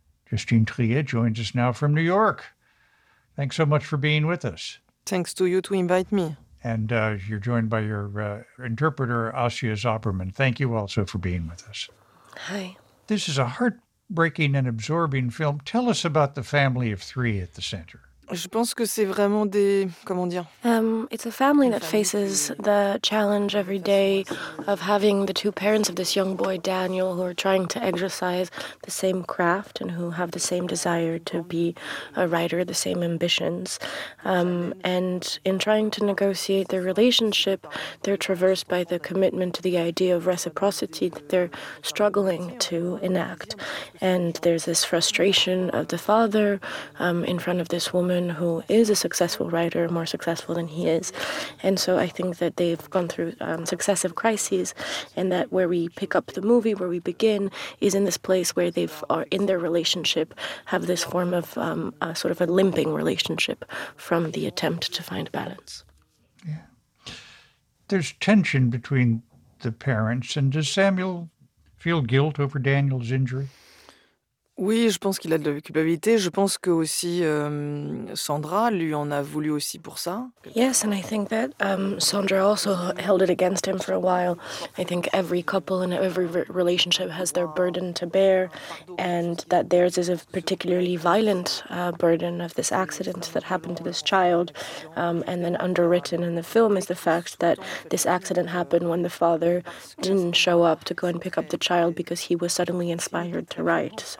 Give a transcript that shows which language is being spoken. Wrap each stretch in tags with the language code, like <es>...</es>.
<en>Justine Trier joins us now from New York. Thanks so much for being with us. Thanks to you to invite me. And you're joined by your interpreter, Asya Zopperman. Thank you also for being with us. Hi. This is a heartbreaking and absorbing film. Tell us about the family of three at the center.</en> <fr>Je pense que c'est vraiment des, comment dire?</fr> <en>It's a family that faces the challenge every day of having the two parents of this young boy, Daniel, who are trying to exercise the same craft and who have the same desire to be a writer, the same ambitions. And in trying to negotiate their relationship, they're traversed by the commitment to the idea of reciprocity that they're struggling to enact. And there's this frustration of the father in front of this woman who is a successful writer, more successful than he is. And so I think that they've gone through successive crises, and that where we pick up the movie, where we begin, is in this place where they are in their relationship, have this form of a sort of a limping relationship from the attempt to find balance. Yeah. There's tension between the parents, and does Samuel feel guilt over Daniel's injury?</en> <fr>Oui, je pense qu'il a de la culpabilité. Je pense que aussi Sandra lui en a voulu aussi pour ça.</fr> <en>Yes, and I think that Sandra also held it against him for a while. I think every couple and every relationship has their burden to bear, and that theirs is a particularly violent burden of this accident that happened to this child. And then underwritten in the film is the fact that this accident happened when the father didn't show up to go and pick up the child because he was suddenly inspired to write.</en>